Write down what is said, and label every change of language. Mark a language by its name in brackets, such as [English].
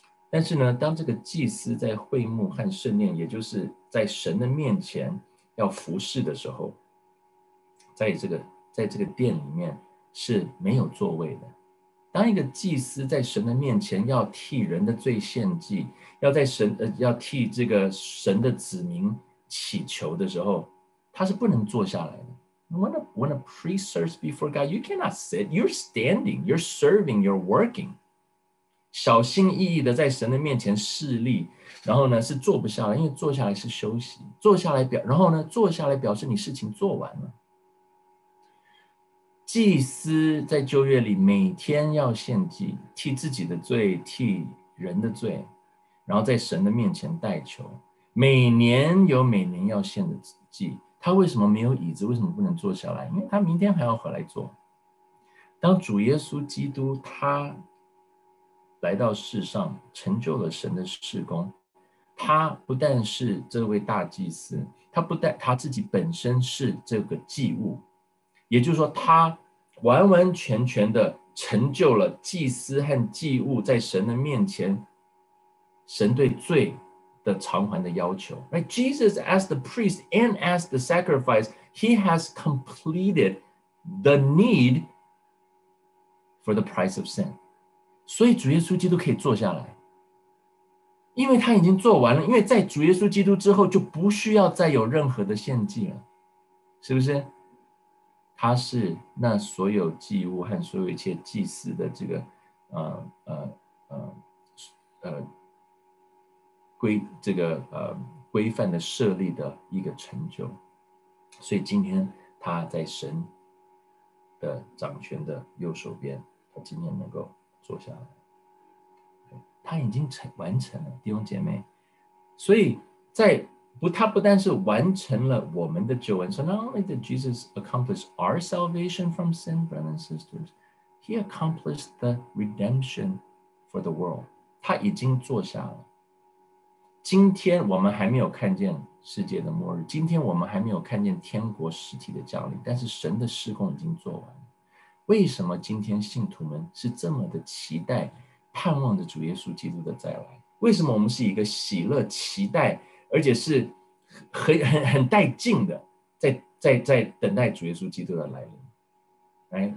[Chinese] 但是呢，当这个祭司在会幕和圣殿，也就是在神的面前要服侍的时候，在这个殿里面是没有座位的。当一个祭司在神的面前要替人的罪献祭，要替这个神的子民祈求的时候，他是不能坐下来的。 [English] When a priest serves before God, you cannot sit. You're standing. You're serving. You're working. [Chinese] 小心翼翼的在神的面前侍立，然后呢是坐不下来，因为坐下来是休息，坐下来表示你事情做完了。祭司在旧约里每天要献祭，替自己的罪，替人的罪，然后在神的面前代求，每年有每年要献的祭。他为什么没有椅子？为什么不能坐下来？因为他明天还要回来做。当主耶稣基督他来到世上成就了神的事工，他不但是这位大祭司，他自己本身是这个祭物，也就是说他完完全全的成就了祭司和祭物在神的面前神对罪的偿还的要求。 [English] Right? Jesus as the priest and as the sacrifice, he has completed the need for the price of sin. [Chinese] 所以主耶稣基督可以坐下来，因为他已经做完了，因为在主耶稣基督之后就不需要再有任何的献祭了，是不是？他是那所有祭物和所有一切祭司的这个规范的设立的一个成就。所以今天他在神的掌权的右手边，他今天能够坐下来，他已经完成了，弟兄姐妹。所以他不但是完成了我们的救恩， [English] so not only did Jesus accomplish our salvation from sin, brothers and sisters, he accomplished the redemption for the world. [Chinese] 他已经坐下了。今天我们还没有看见世界的末日，今天我们还没有看见天国实体的降临，但是神的事工已经做完了。为什么今天信徒们是这么的期待盼望着主耶稣基督的再来？为什么我们是一个喜乐期待而且是 很带劲的 在等待主耶稣基督的来临？